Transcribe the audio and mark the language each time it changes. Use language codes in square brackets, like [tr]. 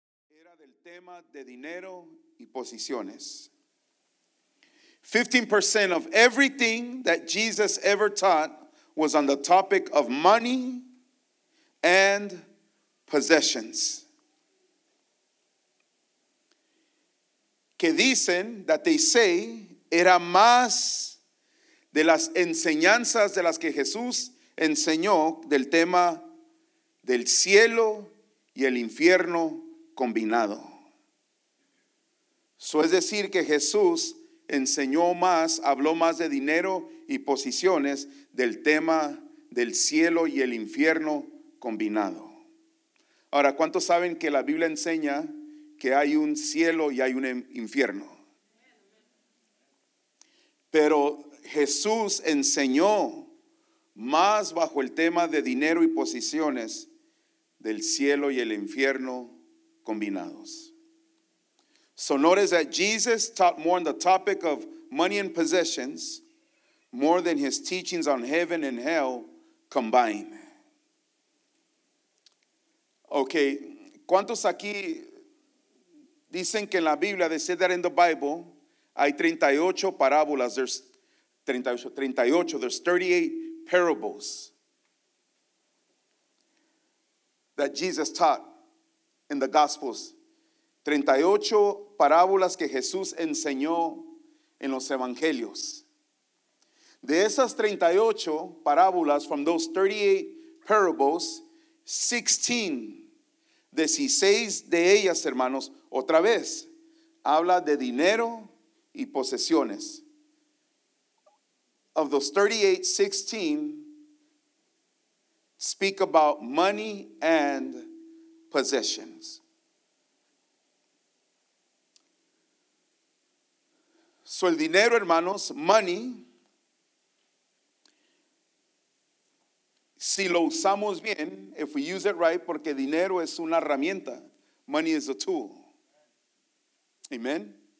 [es] Era del tema de dinero y posiciones. [en] 15% of everything that Jesus ever taught was on the topic of money and possessions. [es] Que dicen, [en] that they say, [es] era más de las enseñanzas de las que Jesús enseñó del tema del cielo y el infierno combinado. Eso es decir que Jesús enseñó más, habló más de dinero y posiciones del tema del cielo y el infierno combinado. Ahora, ¿cuántos saben que la Biblia enseña que hay un cielo y hay un infierno? Pero Jesús enseñó más bajo el tema de dinero y posiciones del cielo y el infierno combinados. [en] So notice that Jesus taught more on the topic of money and possessions more than his teachings on heaven and hell combined. [es] Okay, ¿cuántos aquí dicen que en la Biblia, [en] they say that in the Bible, [es] hay 38 parábolas? [en] There's 38, there's 38 parables that Jesus taught in the Gospels. [es] 38 parábolas que Jesús enseñó en los Evangelios. De esas 38 parábolas, [en] from those 38 parables, [es] 16 de ellas, hermanos, otra vez, habla de dinero y posesiones. [en] Of those 38, 16 speak about money and possessions. [es] So el dinero, hermanos, money, si lo usamos bien, [en] if we use it right, [es] porque dinero es una herramienta. [en] Money is a tool. Amen.